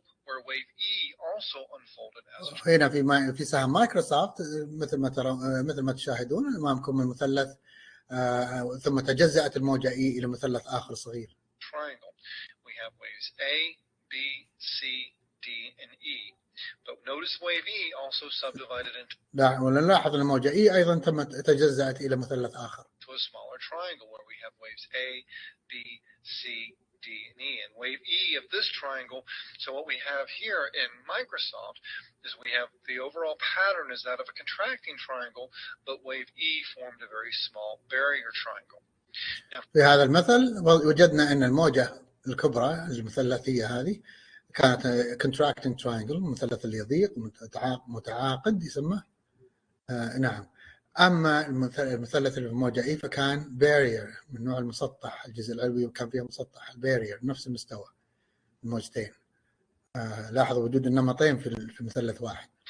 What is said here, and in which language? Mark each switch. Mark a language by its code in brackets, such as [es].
[en] where wave E also unfolded as [ar] هنا في سهم مايكروسوفت مثل ما تشاهدون امامكم المثلث ثم تجزأت الموجة E الى مثلث اخر صغير. [en] Triangle. We have waves A, B, C, D and E. But notice wave E also subdivided into [ar] نلاحظ ان الموجة E ايضا تمت تجزأت الى مثلث اخر. [en] To a smaller triangle where we have waves A, B, C, D and E and wave E of this triangle. So what we have here in Microsoft is we have the overall pattern is that of a contracting triangle, but wave E formed a very small barrier triangle. [ar] في هذا المثل وجدنا أن الموجة الكبرى المثلثية هذه كانت contracting triangle مثلث يضيق متعاقد يسمى نعم. أما المثلث الموجة إي فكان بارير من نوع المسطح الجزء العلوي وكان فيها مسطح البارير نفس المستوى الموجتين لاحظ وجود النمطين في مثلث واحد.